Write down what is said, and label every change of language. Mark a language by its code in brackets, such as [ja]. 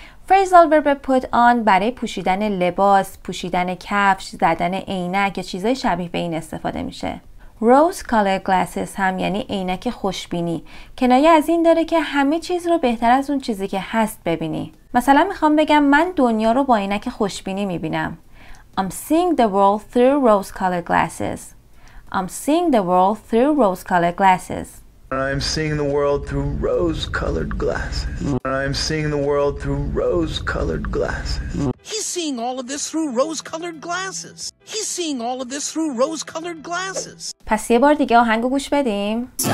[fa] فریزال ورب پوت آن برای پوشیدن لباس، پوشیدن کفش، زدن عینک یا چیزای شبیه به این استفاده میشه. روز کالر گلاسز هم یعنی عینک خوشبینی. کنایه از این داره که همه چیز رو بهتر از اون چیزی که هست ببینی. مثلا میخوام بگم من دنیا رو با عینک خوشبینی میبینم. [en] I'm seeing the world through rose colored glasses. I'm seeing the world through rose colored glasses. I'm seeing the world through rose colored glasses. I'm seeing the world through rose colored glasses. He's seeing all of this through rose colored glasses. He's seeing all of this through rose colored glasses. [fa] پس یه بار دیگه آهنگو گوش بدیم.